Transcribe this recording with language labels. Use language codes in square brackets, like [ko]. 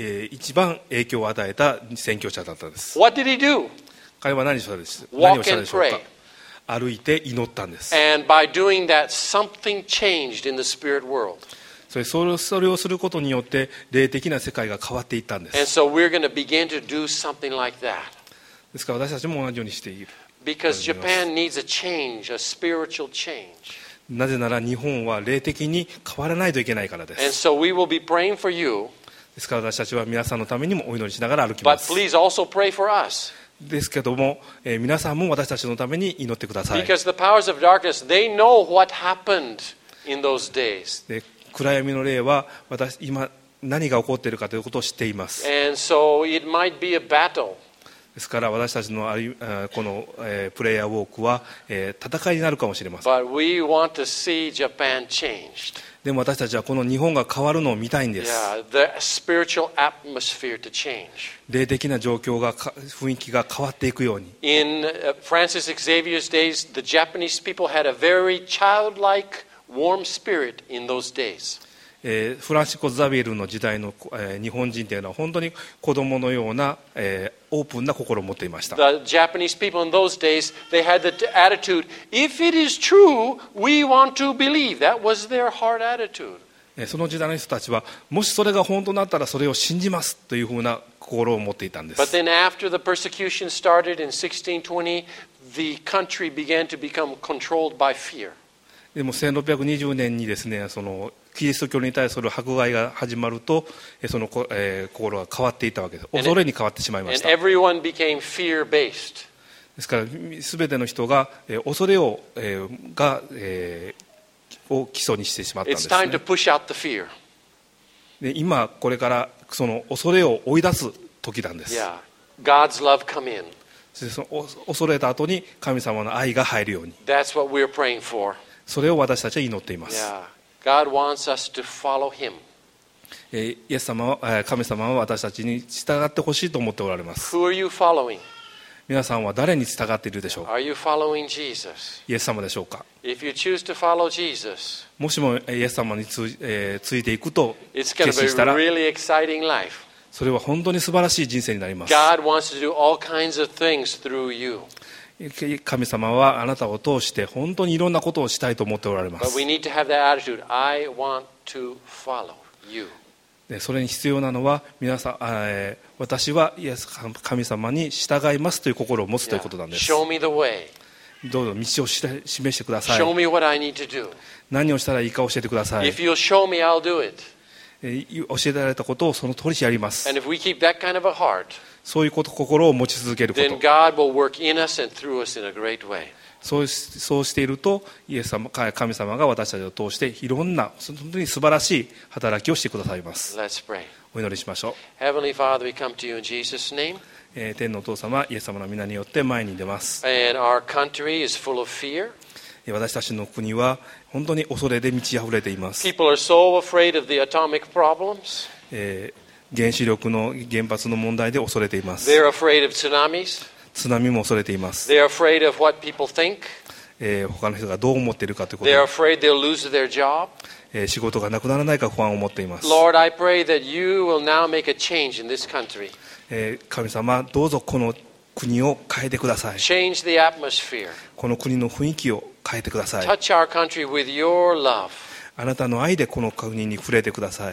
[ja] 一番影響を与えた宣教者だったんです。 [en] What did he do? [ja] 彼は何をしたでしょうか。歩いて祈ったんです。 [en] And by doing that, something changed in the spirit world. [ja] それをすることによって霊的な世界が変わっていったんです。 [en] And so we're going to begin to do something like that. [ja] ですから私たちも同じようにしている。 [en] Because Japan needs a change, a spiritual change. [ja] なぜなら日本は霊的に変わらないといけないからです。 [en] And so we will be praying for you [ja] ですから私たちは皆さんのためにもお祈りしながら歩きます。 [en] But please also pray for us. [ja] ですけども、皆さんも私たちのために祈ってください。 [en] Because the powers of darkness, they know what happened in those days. [ja] で、暗闇の霊は私今何が起こっているかということを知っています。 [en] And so it might be a battle. [ja] ですから私たちのこのプレイヤーウォークは戦いになるかもしれません。 [en] But we want to see Japan changed. [ja] でも私たちはこの日本が変わるのを見たいんです。 [en] Yeah, the spiritual atmosphere to change. [ja] 霊的な状況が雰囲気が変わっていくように。 [en] In Francis Xavier's days, the Japanese people had a very childlike, warm spirit in those days. [ja] フランシスコ・ザビエルの時代の、日本人というのは本当に子供のような、オープンな心を持っていました。 [en] The Japanese people in those days, they had the attitude, if it is true, we want to believe. That was their heart attitude. [ja] その時代の人たちは、もしそれが本当になったらそれを信じますというふうな心を持っていたんです。 [en] But then after the persecution started in 1620, the country began to become controlled by fear. [ja] でも1620年にですね、そのキリスト教に対する迫害が始まると、その、心が変わっていたわけです。恐れに変わってしまいました。 [en] And everyone became fear-based. [ja] ですから、すべての人が、恐れを、が、を基礎にしてしまったんですね。 [en] It's time to push out the fear. [ja] で、今これからその恐れを追い出す時なんです。 [en] Yeah. God's love come in. [ja] その恐れた後に神様の愛が入るように。 [en] That's what we're praying for. [ja] それを私たちは祈っています。 [en] Yeah. God wants us to follow him. [ja] イエス様は、神様は私たちに従ってほしいと思っておられます。 [en] Who are you following? [ja] 皆さんは誰に従っているでしょうか。 [en] Are you following Jesus? [ja] イエス様でしょうか。 [en] If you choose to follow Jesus, [ja] もしもイエス様についていくと決心したら、 [en] really exciting life. [ja] それは本当に素晴らしい人生になります。 [en] God wants to do all kinds of things through you. [ja] 神様はあなたを通して本当にいろんなことをしたいと思っておられます。 [en] But we need to have that attitude. I want to follow you. [ja] それに必要なのは皆さん、私はイエス神様に従いますという心を持つということなんです。 [en] Show me the way. [ja] どうぞ道を示してください。 [en] Show me what I need to do. [ja] 何をしたらいいか教えてください。 [en] If you'll show me, I'll do it. [ja] 教えられたことをその通りやります。 [en] And if we keep that kind of a heart, [ja] そういうこと心を持ち続けること、そうしていると、イエス様、神様が私たちを通していろんな本当に素晴らしい働きをしてくださいます。お祈りしましょう。 [en] Heavenly Father, we come to you in Jesus' name. [ja] 天のお父様、イエス様の皆によって前に出ます。 [en] And our country is full of fear. [ja] 私たちの国は本当に恐れで満ち溢れています。 [en] People are so afraid of the atomic problems. [ja] 原子力の原発の問題で恐れています。 [en] They're afraid of tsunamis. [ja] 津波も恐れています。 [en] They're afraid of what people think. [ja] 他の人がどう思っているかということ。 [en] They're afraid they'll lose their job. [ja] 仕事がなくならないか不安を持っています。 [en] Lord, I pray that you will now make a change in this country. [ja] 神様、どうぞこの国を変えてください。 [en] Change the atmosphere. [ja] この国の雰囲気を変えてください。 [en] Touch our country with your love. [ja] あなたの愛でこの国に触れてください。